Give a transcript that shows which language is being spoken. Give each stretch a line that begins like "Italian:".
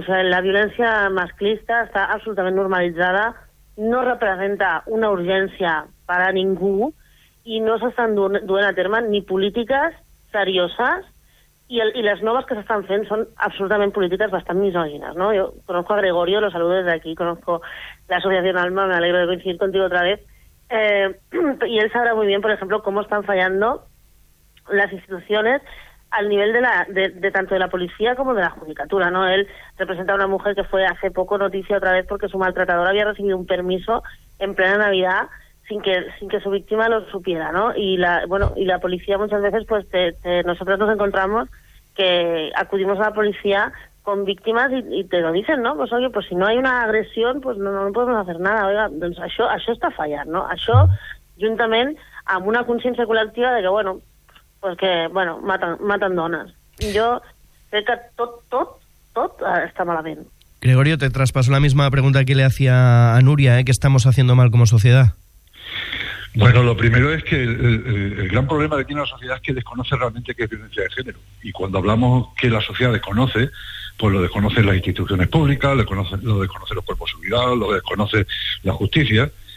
Catalan: O sigui, la violència masclista està absolutament normalitzada, no representa una urgència per a ningú i no s'estan duent a terme ni polítiques serioses, i les noves que s'estan fent són absolutament polítiques bastant misògines, no?
Spanish: Jo conozco a Gregorio, lo saludo desde aquí, conozco la Asociación ALMA, me alegro de coincidir contigo otra vez, y él sabrá muy bien, por ejemplo, cómo están fallando las instituciones al nivel de tanto de la policía como de la judicatura, ¿no? Él representa a una mujer que fue hace poco noticia otra vez porque su maltratador había recibido un permiso en plena Navidad sin que su víctima lo supiera, ¿no? Y la policía muchas veces, pues nosotros nos encontramos que acudimos a la policía con víctimas y te lo dicen, ¿no? Pues oye, pues si no hay una agresión, pues no podemos hacer nada.
Catalan: Oiga, doncs això està fallant, ¿no? Això, juntament amb una consciència col·lectiva de que, bueno, pues que, bueno, maten dones. Jo crec que tot està malament.
Spanish: Gregorio, te traspaso la misma pregunta que le hacía a Núria, ¿eh? ¿Qué estamos haciendo mal como sociedad? Bueno, lo primero es que el gran problema que tiene la sociedad es que desconoce realmente qué es violencia de género. Y cuando hablamos que la sociedad desconoce, pues lo desconocen las instituciones públicas, lo desconocen los cuerpos de seguridad, lo desconoce la justicia.